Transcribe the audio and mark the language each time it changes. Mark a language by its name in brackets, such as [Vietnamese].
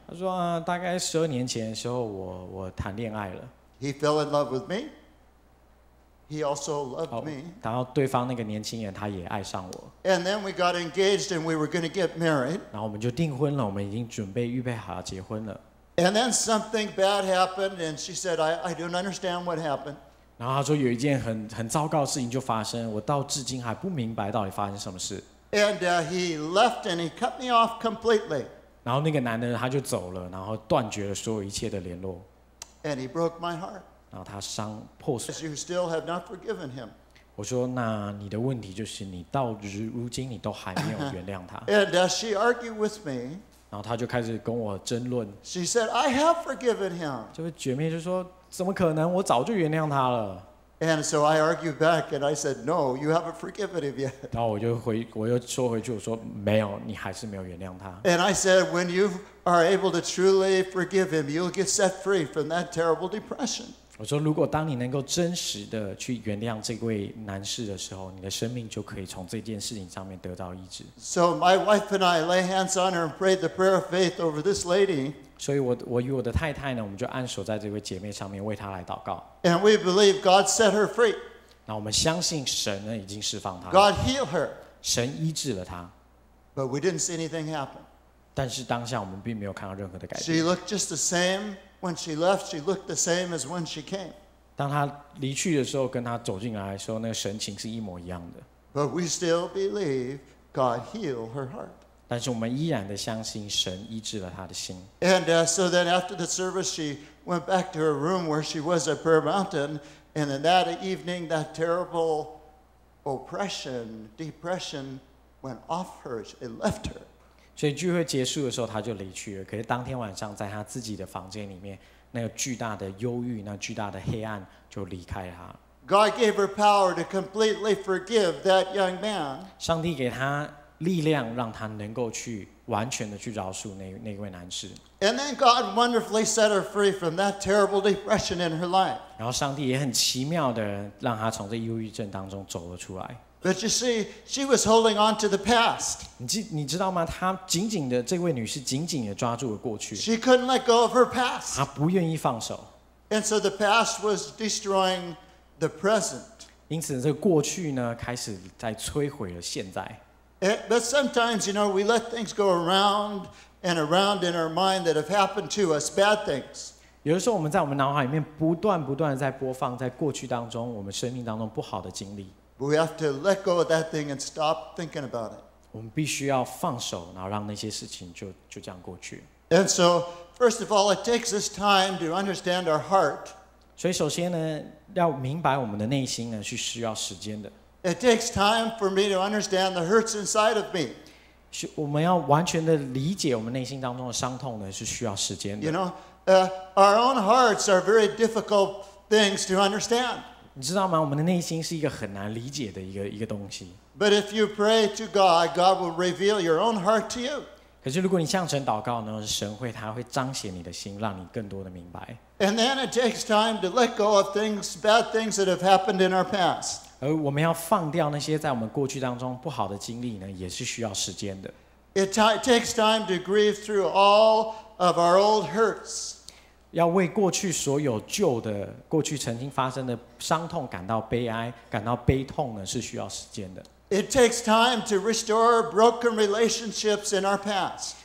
[Chinese] 她说啊，大概十二年前的时候，我谈恋爱了。 [English] He fell in love with me. He also loved me. [Chinese] 然后对方那个年轻人他也爱上我。 [English] And then we got engaged, and we were going to get married. [Chinese] 然后我们就订婚了，我们已经准备预备好要结婚了。 [English] And then something bad happened, and she said, "I don't understand what happened." [Chinese] 然后她说有一件很糟糕的事情就发生，我到至今还不明白到底发生什么事。 [English] And he left and he cut me off completely. [Chinese] 然后那个男的他就走了，然后断绝了所有一切的联络。 [English] And he broke my heart. [Chinese] 然后他伤破碎。 [English] You still have not forgiven him. [Chinese] 我说那你的问题就是你到如今你都还没有原谅他。 [English] And she argued with me. [Chinese] 然后他就开始跟我争论。 [English] She said, "I have forgiven him." [Chinese] 就姐妹就说，怎么可能？我早就原谅他了。 [English] And so I argued back, and I said, "No, you haven't forgiven him yet." [Chinese] 然后我又说回去，我说没有，你还是没有原谅他。 [English] And I said, "When you are able to truly forgive him, you'll get set free from that terrible depression." [Chinese] 我说，如果当你能够真实的去原谅这位男士的时候，你的生命就可以从这件事情上面得到医治。 [English] So my wife and I lay hands on her and prayed the prayer of faith over this lady. [Chinese] 所以我与我的太太呢，我们就按手在这位姐妹上面为她来祷告。 [English] And we believe God set her free. [Chinese] 那我们相信神呢已经释放她。 [English] God healed her. [Chinese] 神医治了她。 [English] But we didn't see anything happen. [Chinese] 但是当下我们并没有看到任何的改变。 [English] She looked just the same. When she left, she looked the same as when she came. [Chinese] 当她离去的时候，跟她走进来的时候，那个神情是一模一样的。 [English] But we still believe God healed her heart. [Chinese] 但是我们依然的相信神医治了她的心。 [English] And so then after the service, she went back to her room where she was at Prayer Mountain. And then that evening, that terrible oppression, depression went off her. It left her. [Chinese] 所以聚会结束的时候，他就离去了。可是当天晚上，在他自己的房间里面，那个巨大的忧郁，那巨大的黑暗就离开他。 [English] God gave her power to completely forgive that young man. [Chinese] 上帝给他力量，让他能够去完全的去饶恕那位男士。 [English] And then God wonderfully set her free from that terrible depression in her life. [Chinese] 然后上帝也很奇妙的让他从这忧郁症当中走了出来。 [English] But you see, she was holding on to the past. [Chinese] 你知道吗？她紧紧的，这位女士紧紧的抓住了过去。 [English] She couldn't let go of her past. [Chinese] 她不愿意放手。 [English] And so the past was destroying the present. [Chinese] 因此，这个过去呢，开始在摧毁了现在。 [English] But sometimes, you know, we let things go around and around in our mind that have happened to us, bad things. [Chinese] 有的时候，我们在我们脑海里面不断不断的在播放，在过去当中，我们生命当中不好的经历。 [English] We have to let go of that thing and stop thinking about it. [Chinese] 我们必须要放手，然后让那些事情就这样过去。 [English] And so, first of all, it takes us time to understand our heart. [Chinese] 所以首先呢，要明白我们的内心呢是需要时间的。 [English] It takes time for me to understand the hurts inside of me. [Chinese] 我们要完全的理解我们内心当中的伤痛呢，是需要时间的。 [English] You know, our own hearts are very difficult things to understand. [Chinese] 你知道吗？我们的内心是一个很难理解的一个东西。 [English] But if you pray to God, God will reveal your own heart to you. [Chinese] 可是如果你向神祷告呢，神会他会彰显你的心，让你更多的明白。 [English] And then it takes time to let go of things, bad things that have happened in our past. [Chinese] 而我们要放掉那些在我们过去当中不好的经历呢，也是需要时间的。 [English] It takes time to grieve through all of our old hurts. [Chinese] 要为过去所有旧的、过去曾经发生的伤痛感到悲哀、感到悲痛呢，是需要时间的。 [English] It takes time to restore broken relationships in our past.